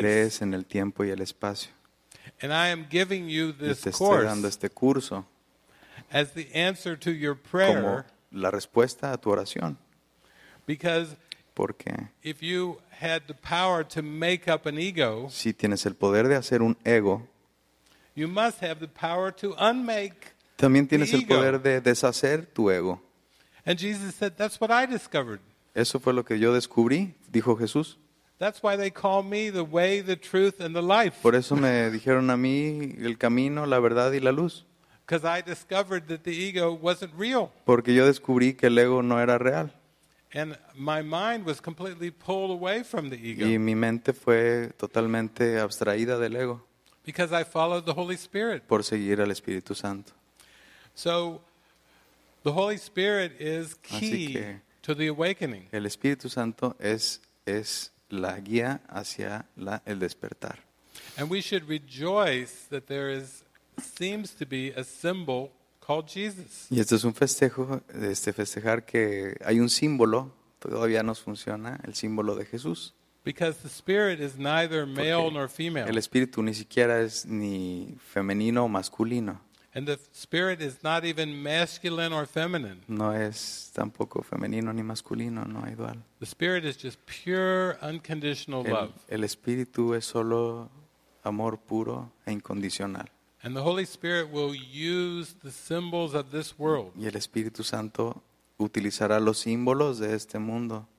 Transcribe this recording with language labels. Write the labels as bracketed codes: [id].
[es] Crees en el tiempo y el espacio. [en] And I am giving you this course. [es] Y te estoy dando este curso. [en] As the answer to your prayer. [es] Como la respuesta a tu oración. [en] Because. [es] Porque. [en] If you had the power to make up an ego. [es] Si tienes el poder de hacer un ego. [en] You must have the power to unmake. [es] También tienes el poder de deshacer tu ego. [en] And Jesus said, "That's what I discovered." [es] Eso fue lo que yo descubrí, dijo Jesús. [en] That's why they call me the way, the truth, and the life. [es] Por eso me dijeron a mí el camino, la verdad y la luz. [en] Because I discovered that the ego wasn't real. [es] Porque yo descubrí que el ego no era real. [en] And my mind was completely pulled away from the ego. [es] Y mi mente fue totalmente abstraída del ego. [en] Because I followed the Holy Spirit. [es] Por seguir al Espíritu Santo. [en] So, the Holy Spirit is key to the awakening. [es] El Espíritu Santo es la guía hacia el despertar. [en] And we should rejoice that there is seems to be a symbol called Jesus. [es] Y esto es un festejo, festejar que hay un símbolo, todavía nos funciona, el símbolo de Jesús. [en] Because the Spirit is neither male nor female. [es] El Espíritu ni siquiera es ni femenino o masculino. [en] And the Spirit is not even masculine or feminine. [es] No es tampoco femenino ni masculino, no hay dual. [en] The Spirit is just pure, unconditional love. [es] El Espíritu es solo amor puro e incondicional. [en] And the Holy Spirit will use the symbols of this world. [es] Y el Espíritu Santo utilizará los símbolos de este mundo.